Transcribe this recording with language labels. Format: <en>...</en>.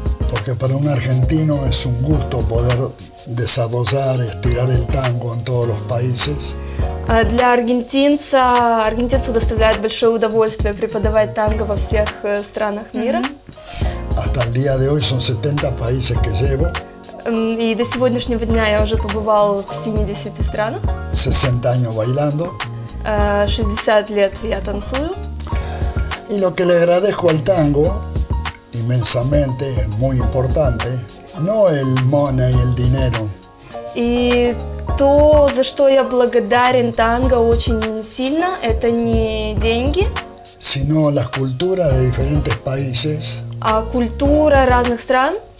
<es>Porque para un argentino es un gusto poder desarrollar, estirar el tango en todos los países.</es> <ru>Для аргентинца, аргентинцу доставляет большое удовольствие преподавать танго во всех странах мира.</ru> <es>Hasta el día de hoy son 70 países que llevo.</es> <ru>И до сегодняшнего дня я уже побывал в 70 странах.</ru> <es>60 años bailando.</es> <ru>60 лет я танцую.</ru> <es>Y lo que le agradezco al tango inmensamente, muy importante, no el money, el dinero.</es> <ru>И то, за что я благодарен танго очень сильно, это не деньги,</ru> <es>sino las culturas de diferentes países,</es> <ru>а культура разных стран,</ru>